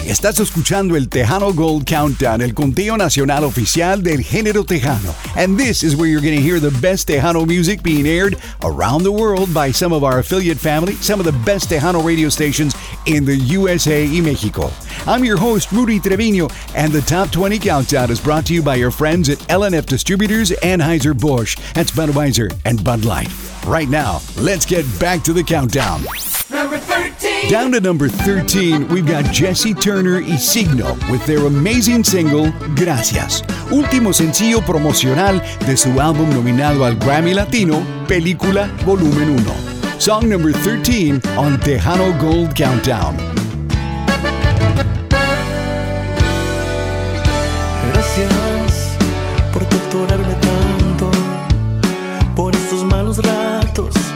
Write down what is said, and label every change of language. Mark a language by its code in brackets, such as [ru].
[es] Estás escuchando el Tejano Gold Countdown, el conteo nacional oficial del género Tejano. [en] And this is where you're going to hear the best Tejano music being aired around the world by some of our affiliate family, some of the best Tejano radio stations in the USA y Mexico. I'm your host, Rudy Treviño, and the Top 20 Countdown is brought to you by your friends at LNF Distributors, Anheuser-Busch, that's Budweiser and Bud Light. Right now, let's get back to the countdown. Number 13. Down to number 13, we've got Jesse Turner y Signo with their amazing single, Gracias. [es] Último sencillo promocional de su álbum nominado al Grammy Latino, Película Volumen 1. [en] Song number 13 on Tejano Gold Countdown. [es] Gracias por torturarme tanto, por estos malos ratos.